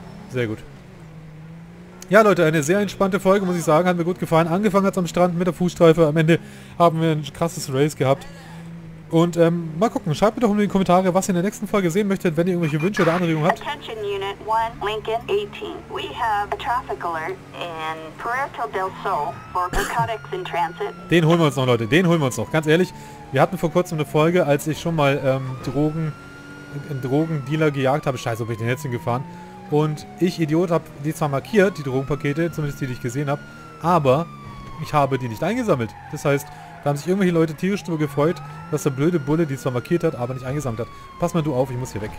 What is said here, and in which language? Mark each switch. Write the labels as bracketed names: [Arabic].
[German] Sehr gut. Ja, Leute, eine sehr entspannte Folge, muss ich sagen. Hat mir gut gefallen. Angefangen hat es am Strand mit der Fußstreife. Am Ende haben wir ein krasses Race gehabt. Und mal gucken, schreibt mir doch in die Kommentare, was ihr in der nächsten Folge sehen möchtet, wenn ihr irgendwelche Wünsche oder Anregungen habt. [English] Attention Unit 1, Lincoln 18. We have a traffic alert in Puerto del Sol for narcotics in transit. [German] Den holen wir uns noch, Leute, den holen wir uns noch. Ganz ehrlich, wir hatten vor kurzem eine Folge, als ich schon mal einen Drogendealer gejagt habe. Scheiße, ob ich den jetzt hingefahren. Und ich, Idiot, habe die zwar markiert, die Drogenpakete, zumindest die ich gesehen habe, aber ich habe die nicht eingesammelt. Das heißt, da haben sich irgendwelche Leute tierisch darüber gefreut, dass der blöde Bulle die zwar markiert hat, aber nicht eingesammelt hat. Pass mal du auf, ich muss hier weg.